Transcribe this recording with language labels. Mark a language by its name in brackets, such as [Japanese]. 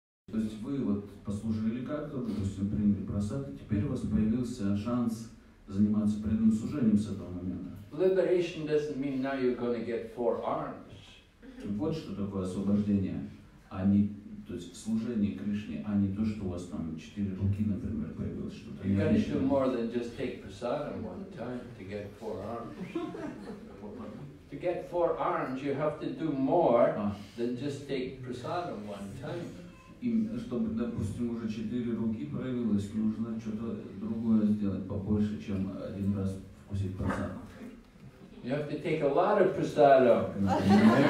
[Russian] То есть вы вот послужили как-то, допустим, приняли просад, и теперь у вас появился шанс заниматься преданным служением с этого момента. [English] Liberation doesn't mean now you're going to get four arms. [Russian] Вот что такое освобождение, а не, то есть служение Кришне, а не то, что у вас там четыре руки, например, появилось что-то. [English] You got to do more than just take prasadam one time to get four arms. To get four arms, you have to do more than just take prasadam one time. [Russian] И чтобы, допустим, уже четыре руки проявилось, нужно что-то другое сделать побольше, чем один раз вкусить просад. [English] You have to take a lot of prasadam.